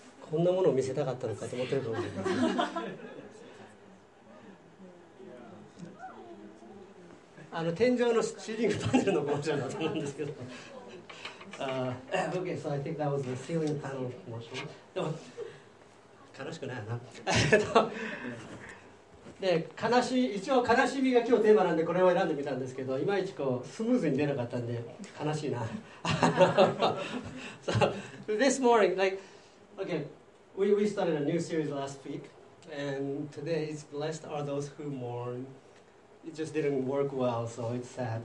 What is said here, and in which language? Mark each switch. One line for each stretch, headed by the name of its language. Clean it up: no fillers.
Japanese: こんなものを見せたかったのかと思ってると思います。あの天井のシーリングパネルのコマーシャルだと思うんですけど。
English: okay, so I think that was the ceiling panel commercial.
Japanese: でも悲しくないな。で悲しい、一応悲しみが今日テーマなんでこれを選んでみたんですけど、いまいちこうスムーズに出なかったんで悲しいな。
English: so this morning, like, okay. We started a new series last week, and today is Blessed Are Those Who Mourn. It just didn't work well, so it's sad.